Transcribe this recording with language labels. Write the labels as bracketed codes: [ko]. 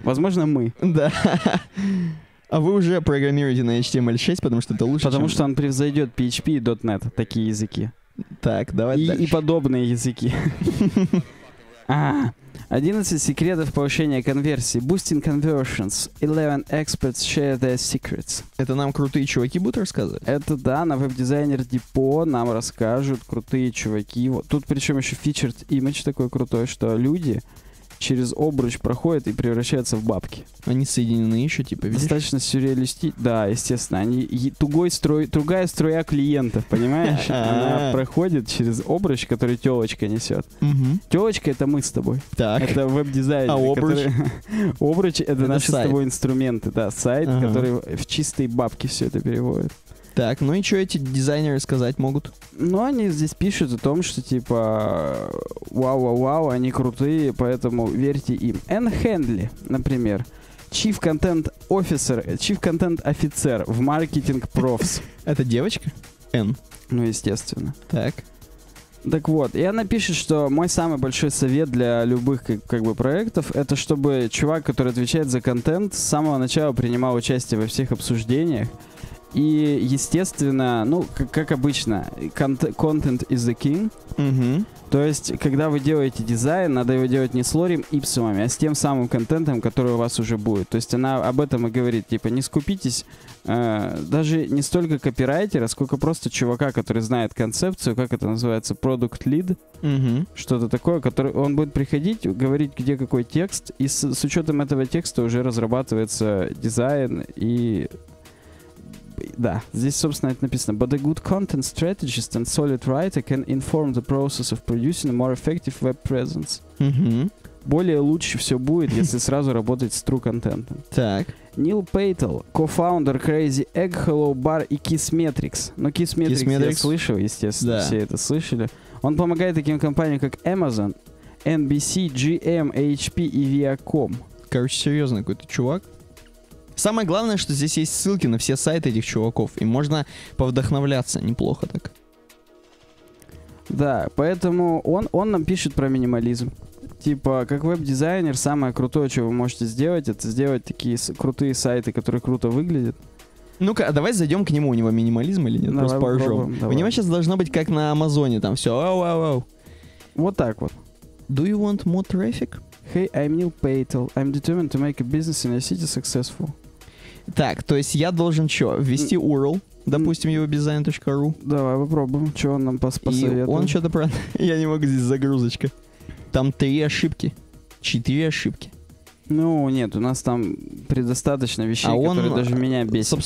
[ru] Возможно, мы. Да. А вы уже программируете на HTML6, потому что это лучше, потому что он превзойдет PHP и .NET, такие языки. Так, давай дальше. И подобные языки. 11 секретов повышения конверсии. [en] Boosting conversions. 11 experts share their secrets. [ru] Это нам крутые чуваки будут рассказывать? Это да, на веб-дизайнер Depo нам расскажут крутые чуваки. Вот. Тут причем еще featured image такой крутой, что люди... через обруч проходят и превращаются в бабки. Они соединены еще, типа, видишь? Достаточно сюрреалистично. Да, естественно. Они другая струя клиентов, понимаешь? Она проходит через обруч, который тёлочка несет. Тёлочка — это мы с тобой. Так. Это веб-дизайнер. А обруч? Обруч — это наши с тобой инструменты. Да, сайт, который в чистые бабки все это переводит. Так, ну и что эти дизайнеры сказать могут? Ну, они здесь пишут о том, что типа вау-вау-вау, они крутые, поэтому верьте им. Энн Хендли, например, Chief Content Officer в Marketing Profs. Это девочка? Энн? Ну, естественно. Так. Так вот, и она пишет, что мой самый большой совет для любых как бы проектов, это чтобы чувак, который отвечает за контент, с самого начала принимал участие во всех обсуждениях. И, естественно, ну, как обычно, [en] content is the king. Mm-hmm. [ru] То есть, когда вы делаете дизайн, надо его делать не с лорем ипсумами, а с тем самым контентом, который у вас уже будет. То есть, она об этом и говорит, типа, не скупитесь даже не столько копирайтера, сколько просто чувака, который знает концепцию, как это называется, product lead, что-то такое, который он будет приходить, говорить, где какой текст, и с учетом этого текста уже разрабатывается дизайн и... да, здесь, собственно, это написано. [en] But a good content strategist and solid writer can inform the process of producing a more effective web presence. Mm-hmm. [ru] Более лучше все будет, если сразу работать с true content. Так. Нил Пейтл, кофаундер Crazy Egg, Hello Bar и Kiss Metrics. Ну, Kiss Metrics, Kiss Metrics? Я слышал, естественно, да. Все это слышали. Он помогает таким компаниям, как Amazon, NBC, GM, HP и Viacom. Короче, серьезный какой-то чувак. Самое главное, что здесь есть ссылки на все сайты этих чуваков, и можно повдохновляться неплохо так. Да, поэтому он нам пишет про минимализм. Типа, как веб-дизайнер, самое крутое, что вы можете сделать, это сделать такие крутые сайты, которые круто выглядят. Ну-ка, давай зайдем к нему, у него минимализм или нет? Давай попробуем. У него сейчас должно быть как на Амазоне, там все. Вау-вау-вау. Вот так вот. [en] Do you want more traffic? Hey, I'm Neil Patel. I'm determined to make a business in a city successful. [ru] Так, то есть я должен что, ввести URL, допустим, webdesign.ru? Давай попробуем, что он нам посоветует. И он что-то про... Я не могу, здесь загрузочка. Там 3 ошибки. 4 ошибки. Ну, нет, у нас там предостаточно вещей, которые даже меня бесят.